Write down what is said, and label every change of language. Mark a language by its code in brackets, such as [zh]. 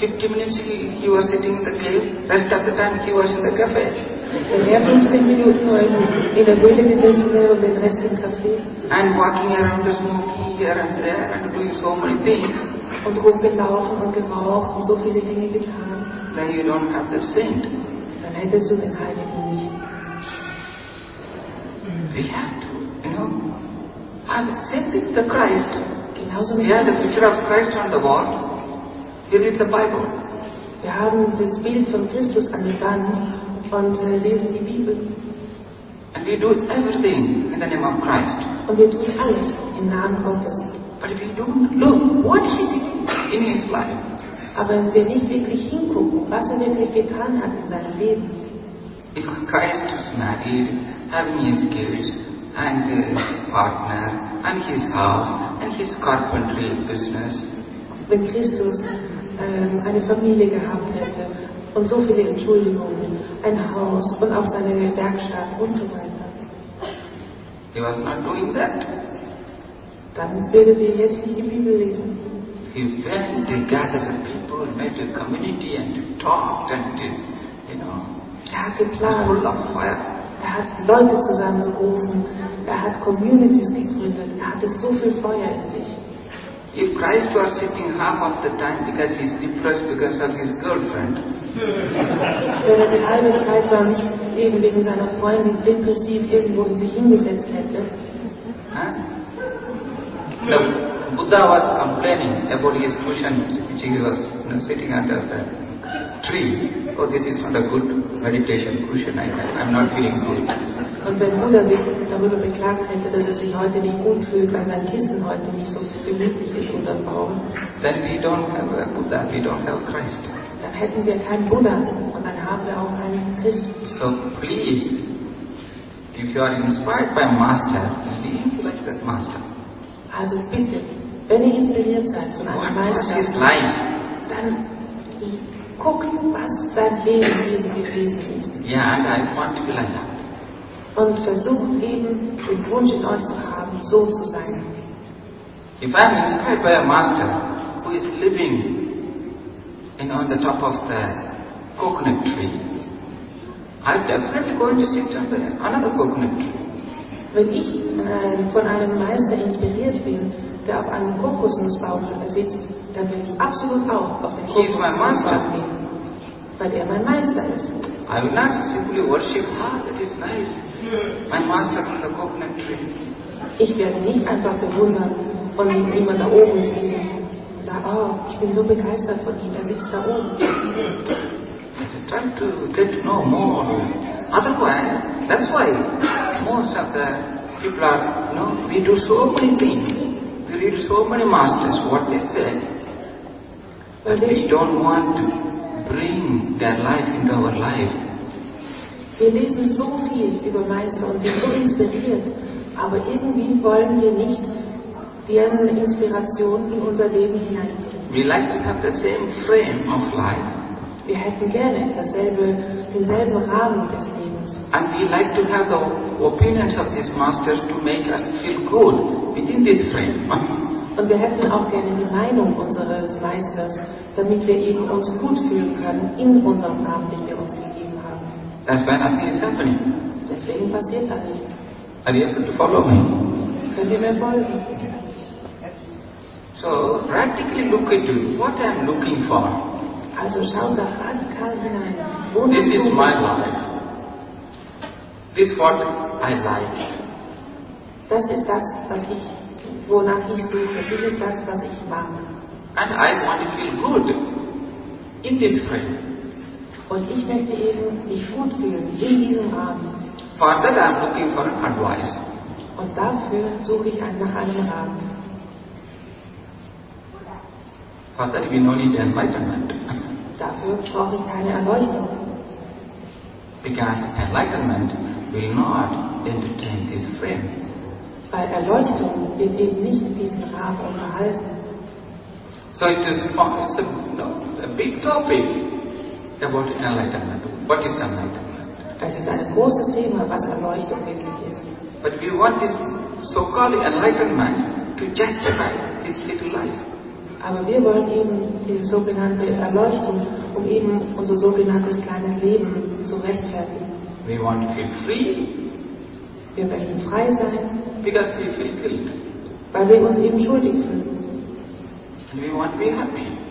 [en] 15 minutes he was sitting in the cave, rest of the time he was in the cafe. [de] Wenn 15 Minuten in der Höhle gesessen wäre und den Rest im Café. [en] And walking around the smoky here and there and doing so many things. [de] Und rumgelaufen und geraucht und so viele Dinge getan. [en] Then you don't have the saint. [de] Dann hättest du den Heiligen nicht. [en] We have to, you know, have the same thing with Christ. [de] Genauso [en] we have the picture of Christ on the wall. We read the Bible. [de] Wir haben das Bild von Christus an der Wand und lesen die Bibel. [en] And we do everything in the name of Christ. [de] Und wir tun alles im Namen Gottes. [en] But if we don't look what he did in his life. [de] Aber wenn wir nicht wirklich hingucken, was er wirklich getan hat in seinem Leben. [en] If Christ is married, having his kids and his partner and his house and his carpentry business. [de] Wenn Christus eine Familie gehabt hätte und so viele Entschuldigungen, ein Haus und auch seine Werkstatt und so weiter. [en] He was not doing that. [de] Dann würde er jetzt nicht die Bibel lesen. [en] He went and gathered people and made a community and talked and did, you know. [de] Er hat geplant. [en] Full of fire. [de] Er hat Leute zusammengerufen. Er hat Communities gegründet. Er hatte so viel Feuer in sich. [en] if Christ was sitting half of the time because he's depressed because of his girlfriend, [de] wenn er die halbe Zeit sonst eben wegen seiner Freundin depressiv irgendwo sich hingesetzt hätte, [en] the Buddha was complaining about his cushion which he was sitting under the tree. Oh, this is not a good meditation cushion. I'm not feeling good. [de] Und wenn Buddha sich darüber beklagt hätte, dass er sich heute nicht gut fühlt, weil sein Kissen heute nicht so gemütlich ist unter dem Baum, [en] then we don't have a Buddha, we don't have Christ. [de] Dann hätten wir keinen Buddha und dann haben wir auch keinen Christus. [en] So please, if you are inspired by Master, be like that Master. [de] Also bitte, wenn ihr inspiriert seid von einem Meister, [en] what is life? [de] Dann guckt, was sein Leben eben gewesen ist. [en] Yeah, and I want to be like that. [de] Und versucht eben, den Wunsch in euch zu haben, so zu sein. [en] If I am inspired by a master who is living in on the top of the coconut tree, I'm definitely going to sit on another coconut tree. [de] Wenn ich von einem Meister inspiriert bin, der auf einem Kokosnussbaum sitzt, dann bin ich absolut auch auf dem Kokosnussbaum, weil er mein Meister ist. [en] I will not simply worship, that is nice. My master from the coconut tree. [de] Ich werde nicht einfach bewundern von jemandem da oben sehen und sagen, oh, ich bin so begeistert von ihm, er sitzt da oben. [en] Try to get to know more. Otherwise, that's why most of the people are, you know, we do so many things. We read so many masters, what they say. But we don't want to bring their life into our life. [de] Wir lesen so viel über Meister und sind so inspiriert, aber irgendwie wollen wir nicht deren Inspiration in unser Leben hineinbringen. [en] We like to have the same frame of life. [de] Wir hätten gerne denselben Rahmen des Lebens. [en] And we like to have the opinions of these masters to make us feel good within this frame. [de] Und wir hätten auch gerne die Meinung unseres Meisters, damit wir eben uns gut fühlen können in unserem Rahmen, den wir uns geben. [en] That's why nothing is happening. [de] Deswegen passiert da nichts. [en] Are you able to follow me? [de] Könnt ihr mir folgen? [en] So, radically look into what I'm looking for. [de] Also schau da radikal hinein. [en] This is my life. This is what I like. [de] Das ist das, was ich, wonach ich suche. [en] This is [de] das, was ich mag. [en] And I want to feel good in this frame. [de] Und ich möchte eben mich gut fühlen in diesem Rahmen. [en] For that I'm looking for advice. [de] Und dafür suche ich nach einem Rahmen. [en] For that we no need enlightenment. [de] Dafür brauche ich keine Erleuchtung. [en] Because enlightenment will not entertain this frame. [de] Weil Erleuchtung wird eben nicht diesen Rahmen unterhalten. [en] So it is a big topic. About enlightenment. What is enlightenment? [de] Das ist ein großes Thema, was Erleuchtung wirklich ist. [en] But we want this so-called enlightenment to justify this little life. [de] Aber wir wollen eben diese sogenannte Erleuchtung, um eben unser sogenanntes kleines Leben zu rechtfertigen. [en] We want to feel free. [de] Wir möchten frei sein. [en] Because we feel guilt. [de] Weil wir uns eben schuldig fühlen. [en] And we want to be happy.